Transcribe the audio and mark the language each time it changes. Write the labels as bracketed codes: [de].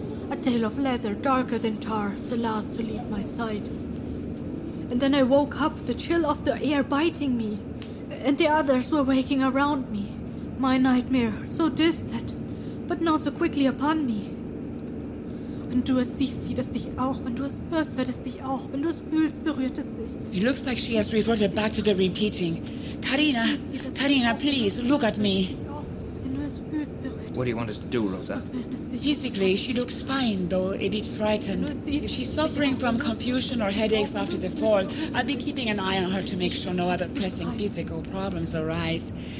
[en] A tail of leather, darker than tar, the last to leave my side. And then I woke up, the chill of the air biting me, and the others were waking around me. My nightmare, so distant, but now so quickly upon me. [de] Wenn du es siehst, sieht es dich auch. Wenn du es hörst, hört es dich auch. Wenn du es fühlst, berührt es dich. [en] It looks like she has reverted back to the repeating. Karina, Karina, please, look at me. What do you want us to do, Rosa? Physically, she looks fine, though a bit frightened. If she's suffering from confusion or headaches after the fall, I'll be keeping an eye on her to make sure no other pressing physical problems arise.